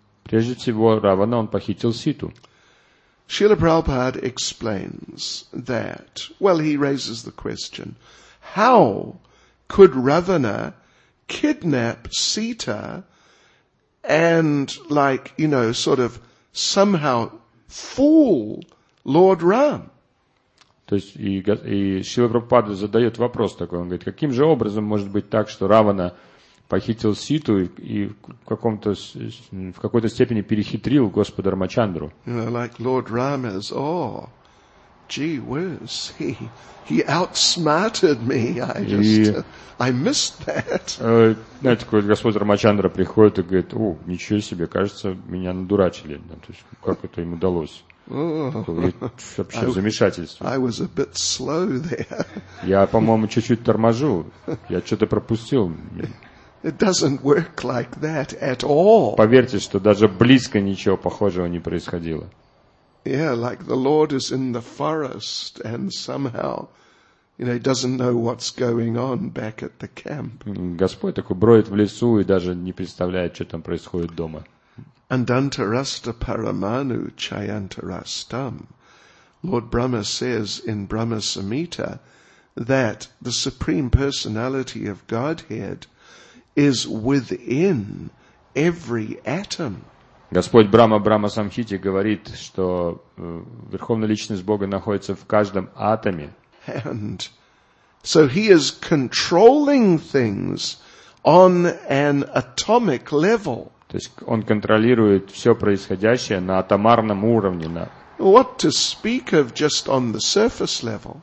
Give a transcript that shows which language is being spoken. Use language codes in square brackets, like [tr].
[ru] Прежде всего, Равана, он похитил Ситу. [en] Srila Prabhupada explains that, well, he raises the question, how could Ravana kidnap Sita and, like, you know, sort of somehow fool Lord Ram? [ru] То есть, и Srila Prabhupada задает вопрос такой, он говорит, каким же образом может быть так, что Равана похитил Ситу и в какой-то степени перехитрил Господа Рамачандру. [en] You know, like Lord Rama's, oh, gee whiz, he outsmarted me. I missed that. [ru] Знаете, такой Господь Рамачандра приходит и говорит, о, ничего себе, кажется, меня надурачили. Да, то есть, как это им удалось? Вообще замешательство. [en] I was a bit slow there. [ru] Я, по-моему, чуть-чуть торможу. Я что-то пропустил. [en] It doesn't work like that at all. [ru] Поверьте, что даже близко ничего похожего не происходило. [en] Yeah, like the Lord is in the forest and somehow, you know, doesn't know what's going on back at the camp. [ru] Господь такой бродит в лесу и даже не представляет, что там происходит дома. [sa] Andantarasta paramanu chayantarastam. [en] Lord Brahma says in Brahma Samhita that the Supreme Personality of Godhead is within every atom. [ru] Господь Брама, Брама Самхити говорит, что Верховная Личность Бога находится в каждом атоме. [en] And so he is controlling things on an atomic level. [ru] То есть он контролирует все происходящее на атомарном уровне, на [en] What to speak of just on the surface level?